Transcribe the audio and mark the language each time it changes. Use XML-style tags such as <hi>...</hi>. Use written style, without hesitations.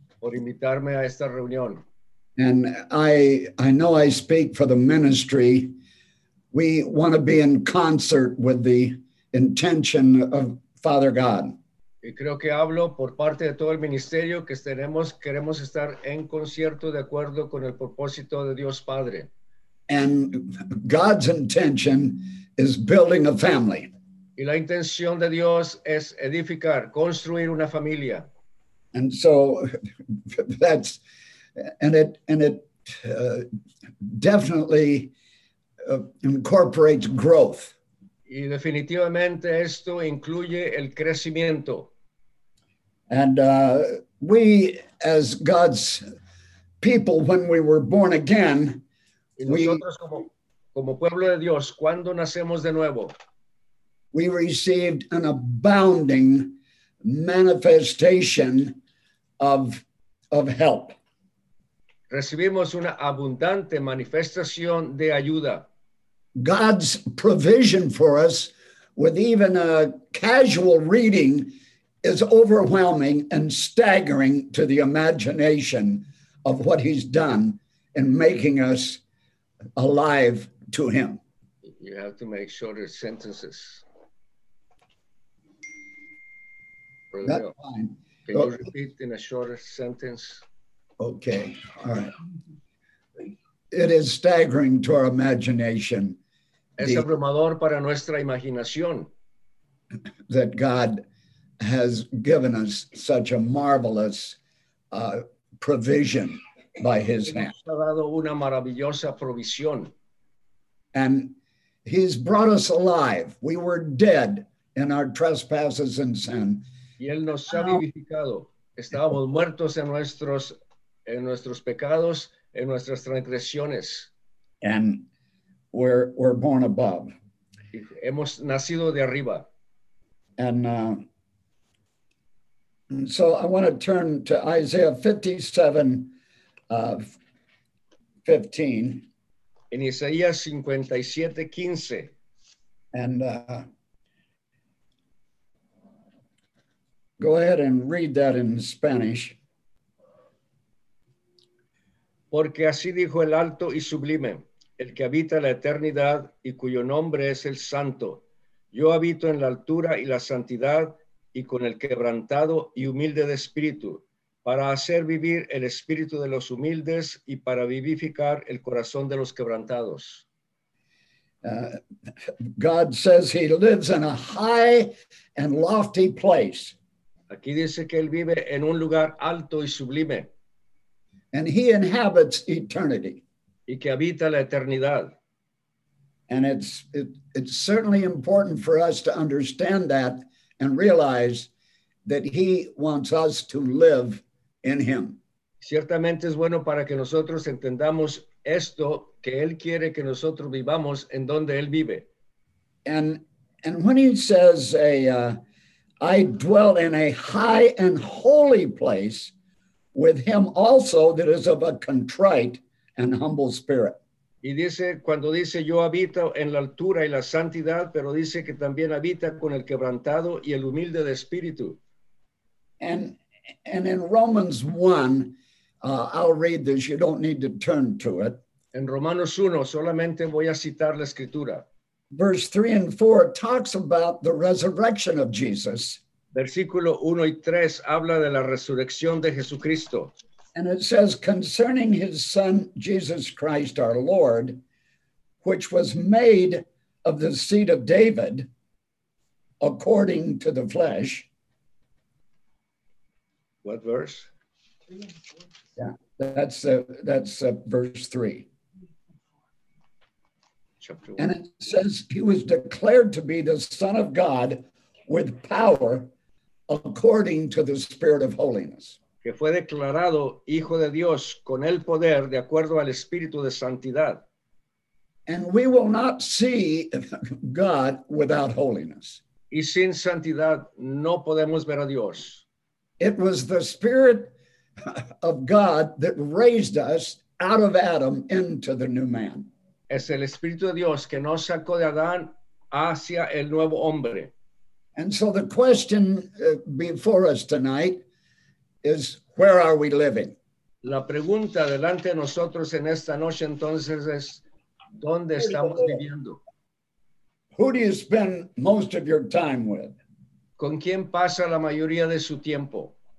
<es>Por invitarme a esta reunión.</es> <en>And I know I speak for the ministry. We want to be in concert with the intention of Father God.</en> <es>Y creo que hablo por parte de todo el ministerio que tenemos, queremos estar en concierto de acuerdo con el propósito de Dios Padre.</es> <en>And God's intention is building a family.</en> <es>Y la intención de Dios es edificar, construir una familia.</es> <en>And so that's, and it definitely incorporates growth.</en> <es>Y definitivamente esto incluye el crecimiento.</es> <en>And we, as God's people, when we were born again,</en> <es>como pueblo de Dios, cuando nacemos de nuevo,</es> <en>we received an abounding manifestation of help.</en> <es>Recibimos una abundante manifestación de ayuda.</es> <en>God's provision for us, with even a casual reading, is overwhelming and staggering to the imagination of what he's done in making us alive to him. You have to make shorter sentences. That's fine. Can you repeat in a shorter sentence? Okay, all right. It is staggering to our imagination.</en> <es>Es abrumador para nuestra imaginación.</es> <en>That God has given us such a marvelous provision by his hand.</en> <es>Ha dado una maravillosa provisión.</es> <en>And he's brought us alive. We were dead in our trespasses and sin.</en> <es>Y él nos ha vivificado. Estábamos muertos en nuestros pecados, en nuestras transgresiones.</es> <en>And we're born above.</en> <es>Y hemos nacido de arriba.</es> <en>And so I want to turn to Isaiah 57, 15.</en> <es>En Isaías 57, 15.</es> <en>And go ahead and read that in Spanish.</en> <es>Porque así dijo el alto y sublime, el que habita la eternidad y cuyo nombre es el santo. Yo habito en la altura y la santidad y con el quebrantado y humilde de espíritu, para hacer vivir el espíritu de los humildes y para vivificar el corazón de los quebrantados.</es> <en>God says he lives in a high and lofty place.</en> <es>Aquí dice que él vive en un lugar alto y sublime.</es> <en>And he inhabits eternity.</en> <es>Y que habita la eternidad.</es> <en>And it's certainly important for us to understand that and realize that he wants us to live in him.</en> <es>Ciertamente es bueno para que nosotros entendamos esto, que él quiere que nosotros vivamos en donde él vive.</es> <en>And when he says, I dwell in a high and holy place with him also that is of a contrite and humble spirit.</en> <es>Y dice, cuando dice, yo habito en la altura y la santidad, pero dice que también habita con el quebrantado y el humilde de espíritu.</es> <en>And in Romans 1, I'll read this, you don't need to turn to it.</en> <es>En Romanos 1, solamente voy a citar la escritura.</es> <en>Verse 3 and 4 talks about the resurrection of Jesus.</en> <es>Versículo 1 y 3 habla de la resurrección de Jesucristo.</es> <en>And it says, concerning his son, Jesus Christ, our Lord, which was made of the seed of David, according to the flesh. What verse? Yeah, that's verse 3. And it says he was declared to be the Son of God with power according to the Spirit of holiness.</en> <es>Que fue declarado hijo de Dios con el poder de acuerdo al Espíritu de santidad.</es> <en>And we will not see God without holiness.</en> <es>Y sin santidad no podemos ver a Dios.</es> <en>It was the Spirit of God that raised us out of Adam into the new man.</en> <es>Es el Espíritu de Dios que nos sacó de Adán hacia el nuevo hombre.</es> <en>And so the question before us tonight is, where are we living?</en> <es>La pregunta delante de nosotros en esta noche entonces es, ¿dónde estamos viviendo?</es> <en>Who do you spend most of your time with?</en> <es>¿Con quién pasa la mayoría de su tiempo?</es>